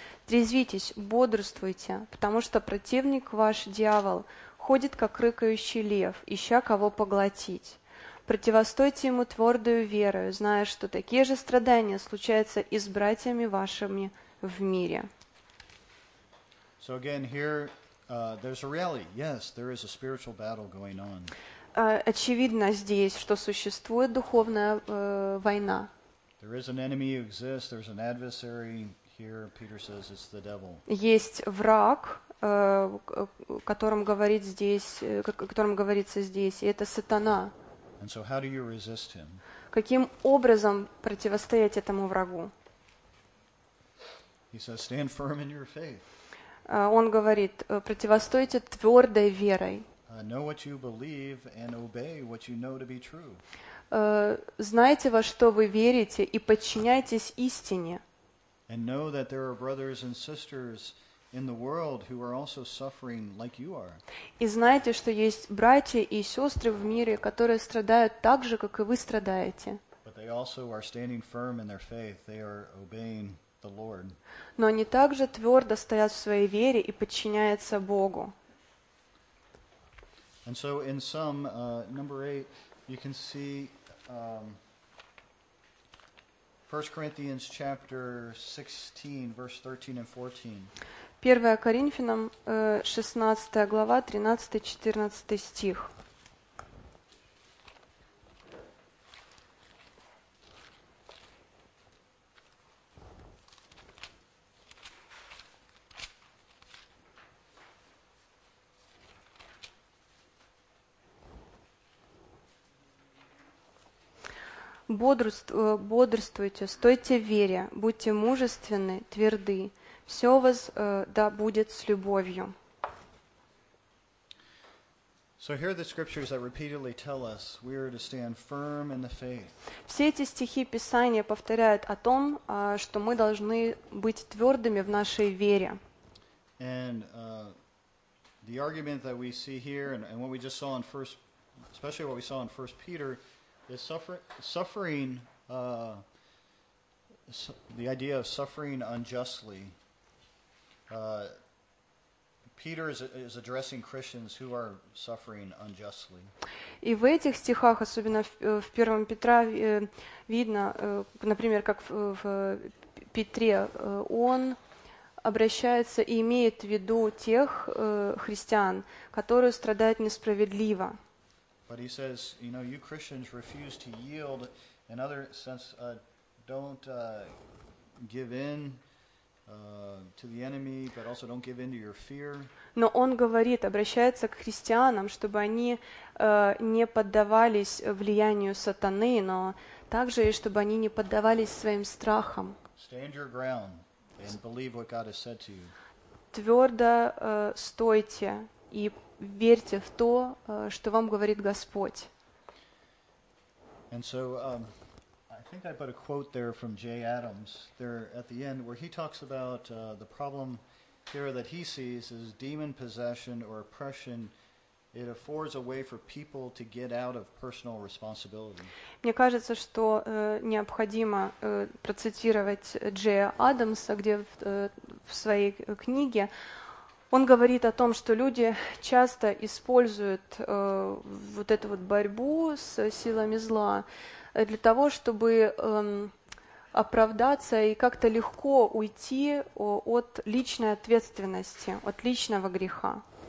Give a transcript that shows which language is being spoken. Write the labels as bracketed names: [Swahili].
[Russian] «Трезвитесь, бодрствуйте, потому что противник ваш, дьявол, ходит, как рыкающий лев, ища кого поглотить. Противостойте ему твердую верою, зная, что такие же страдания случаются и с братьями вашими в мире». [English] So again, here, there's a reality. Yes, there is a spiritual battle going on. [Russian] Очевидно здесь, что существует духовная война. [English] There is an enemy who exists, there's an adversary here, Peter says it's the devil. [Russian] Есть враг, о котором говорится здесь, и это сатана. [English] And so how do you resist him? [Russian] Каким образом противостоять этому врагу? [English] He says, stand firm in your faith. [Russian] Он говорит: противостойте твердой верой. [English] Know what you believe and obey what you know to be true. [Russian] Знайте, во что вы верите, и подчиняйтесь истине. [English] And know that there are brothers and sisters in the world who are also suffering like you are. [Russian] И знайте, что есть братья и сестры в мире, которые страдают так же, как и вы страдаете. [English] But they also are standing firm in their faith. They are obeying the Lord. [Russian] Но они также твердо стоят в своей вере и подчиняются Богу. [English] And so in sum, number 8, you can see 1 Corinthians chapter 16, verse 13 and 14. [Russian] 1 Коринфянам, 16 глава, 13-14 стих. Бодрствуйте, стойте в вере, будьте мужественны, тверды. Все у вас да будет с любовью. [English] So here the scriptures that repeatedly tell us we are to stand firm in the faith. [Russian] Все эти стихи Писания повторяют о том, что мы должны быть твердыми в нашей вере. [English] And the argument that we see here and what we just saw in first, especially what we saw in first Peter, is suffering the idea of suffering unjustly. Peter is addressing Christians who are suffering unjustly. [Russian] И в этих стихах, особенно в первом Петра, видно, например, как в Петре, он обращается и имеет в виду тех христиан, которые страдают несправедливо. [English] But he says, you know, you Christians refuse to yield, in other sense, don't give in to the enemy, but also don't give in to your fear. [Russian] Но он говорит, обращается к христианам, чтобы они не поддавались влиянию сатаны, но также и чтобы они не поддавались своим страхам. [English] Stand your ground and believe what God has said to you. [Russian] Твердо стойте и верьте в то, что вам говорит Господь. [English] And so, I think I put a quote there from Jay Adams there at the end where he talks about the problem here that he sees is demon possession or oppression. It affords a way for people to get out of personal responsibility. [Russian] Мне кажется, что необходимо процитировать Джея Адамса, где в своей книге он говорит о том, что люди часто используют вот эту вот борьбу с силами зла для того, чтобы оправдаться и как-то легко уйти от личной ответственности, от личного греха.